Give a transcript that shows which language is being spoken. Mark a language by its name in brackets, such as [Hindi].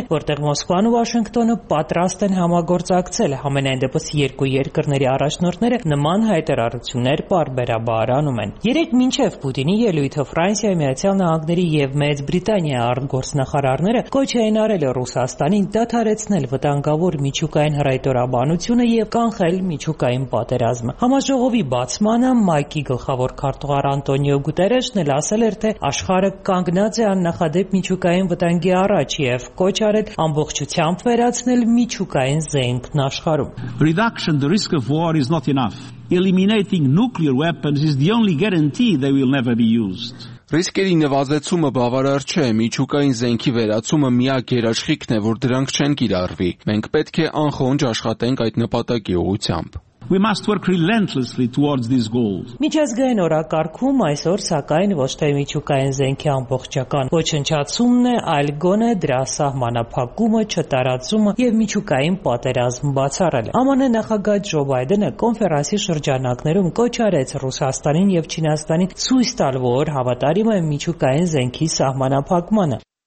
[Armenian] որտեղ Մոսկվան ու Վաշինգտոնը պատրաստ են համագործակցել։ Համենայն դեպս երկու երկրների առաջնորդները նման հայտարարություններ պարբերաբար անում են։ Երեկ մինչև Պուտինի ելույթը Ֆրանսիայի, Միացյալ Նահանգների և Մեծ Բրիտանիայի արտգործնախարարները կոչ էին արել Ռուսաստանին դադարեցնել վտանգավոր միջուկային հրայտորաբանությունը և կանխել միջուկային պատերազմը։ Համաժողովի բացմանը ՄԱԿ-ի գլխավոր քարտուղար Անտոնիո Գուտերեշն էլ ասել էր, թե աշխարհը կանգնած է աննախադեպ միջուկային վտանգի առաջ և կոչ արել ամբողջությամբ վերացնել միջուկային զենքն աշխարհում. [English] Reduction the risk of war is not enough. Eliminating nuclear weapons is the only guarantee they will never be used. [Armenian] Ռիսկերի նվազեցումը բավարար չէ, միջուկային զենքի վերացումը միակ երաշխիքն է, որ դրանք չեն կիրառվի։ Մենք պետք է անխոնջ աշխատենք այդ նպատակի ուղղությամբ։ [English] We must work relentlessly towards this goal. [Armenian] Միջազգային օրակարգում այսօր սակայն ոչ թե միջուկային զենքի ամբողջական ոչնչացումն է, այլ գոնե դրա սահմանափակումը, չտարածումը եւ միջուկային պատերազմ բացառելը։ ԱՄՆ նախագահ Ջո Բայդենը կոնֆերանսի շրջանակներում կոչ արեց Ռուսաստանին եւ Չինաստանին ցույց տալ, որ հավատարիմ են միջուկային զենքի սահմանափակմանը։